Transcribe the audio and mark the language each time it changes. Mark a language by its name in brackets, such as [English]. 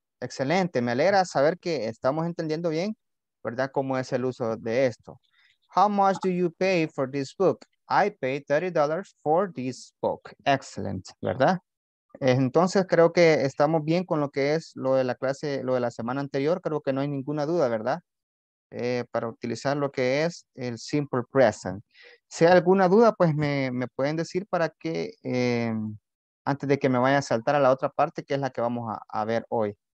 [Spanish] Excelente, me alegra saber que estamos entendiendo bien, ¿verdad? Cómo es el uso de esto. [English] How much do you pay for this book? I pay $30 for this book. Excellent, [Spanish] ¿verdad? Entonces creo que estamos bien con lo que es lo de la clase, lo de la semana anterior. Creo que no hay ninguna duda, ¿verdad? Para utilizar lo que es el simple present. Si hay alguna duda, pues me pueden decir para que antes de que me vaya a saltar a la otra parte, que es la que vamos a ver hoy.